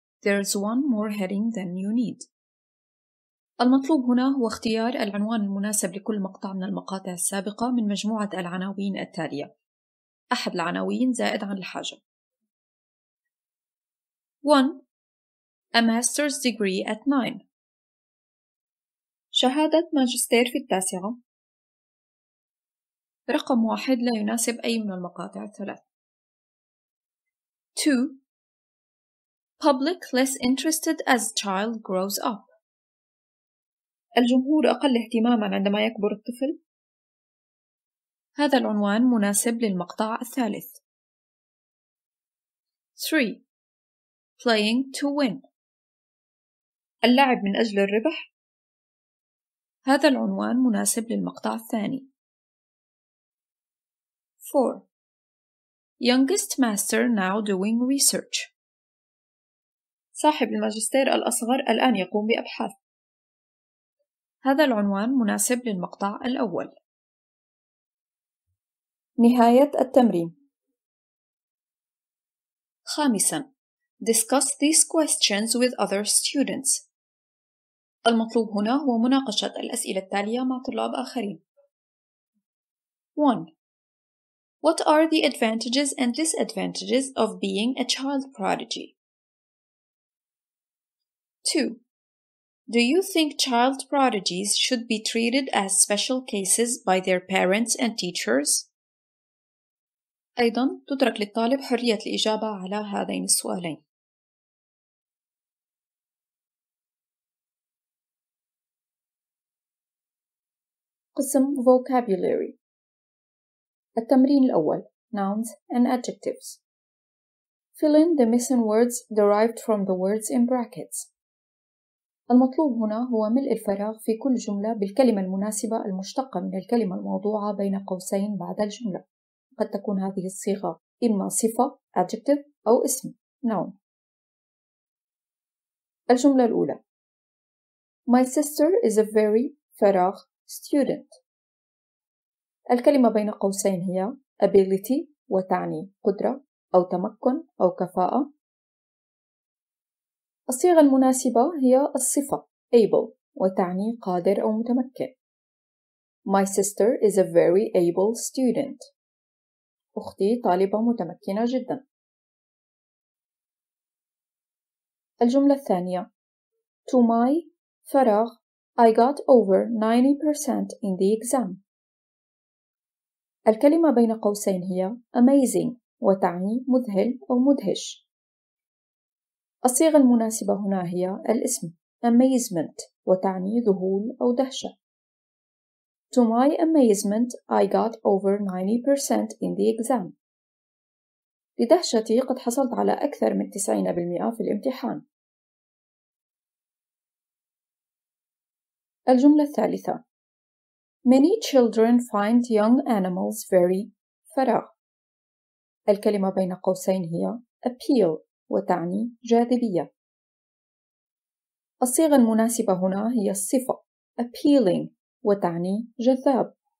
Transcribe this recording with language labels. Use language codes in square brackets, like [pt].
[en] There's one more heading than you need. [ar] المطلوب هنا هو اختيار العنوان المناسب لكل مقطع من المقاطع السابقة من مجموعة العناوين التالية، أحد العناوين زائد عن الحاجة. [en] 1. A master's degree at 9. [ar] شهادة ماجستير في التاسعة. رقم 1 لا يناسب أي من المقاطع الثلاث. 2. [en] Public less interested as child grows up. [ar] الجمهور أقل اهتماماً عندما يكبر الطفل. هذا العنوان مناسب للمقطع الثالث. [en] 3. Playing to win. [ar] اللعب من أجل الربح. هذا العنوان مناسب للمقطع الثاني. 4. [en] Youngest master now doing research. [ar] صاحب الماجستير الأصغر الآن يقوم بأبحاث. هذا العنوان مناسب للمقطع الأول. نهاية التمرين. 5. [en] Discuss these questions with other students. [ar] المطلوب هنا هو مناقشة الأسئلة التالية مع طلاب آخرين. 1. [en] What are the advantages and disadvantages of being a child prodigy? 2. Do you think child prodigies should be treated as special cases by their parents and teachers? [ar] أيضاً تترك للطالب حرية الإجابة على هذين السؤالين. قسم vocabulary. التمرين الأول: [en] nouns and adjectives. Fill in the missing words derived from the words in brackets. [ar] المطلوب هنا هو ملء الفراغ في كل جملة بالكلمة المناسبة المشتقة من الكلمة الموضوعة بين قوسين بعد الجملة. قد تكون هذه الصيغة إما صفة adjective أو اسم noun. الجملة الأولى: [en] My sister is a very [ar] فراغ [en] student. [ar] الكلمة بين قوسين هي ability وتعني قدرة أو تمكن أو كفاءة. الصيغة المناسبة هي الصفة able وتعني قادر أو متمكن. [en] My sister is a very able student. [ar] أختي طالبة متمكنة جدا. الجملة الثانية: [en] To my [ar] فراغ [en] I got over 90% in the exam. [ar] الكلمة بين قوسين هي amazing وتعني مذهل أو مدهش. الصيغة المناسبة هنا هي الاسم amazement وتعني ذهول أو دهشة. [en] To my amazement, I got over 90% in the exam. [ar] لدهشتي قد حصلت على أكثر من 90% في الامتحان. الجملة الثالثة: [en] Many children find young animals very [ar] فراغ. الكلمة بين قوسين هي appeal وتعني جاذبية. الصيغة المناسبة هنا هي الصفة appealing وتعني جذاب.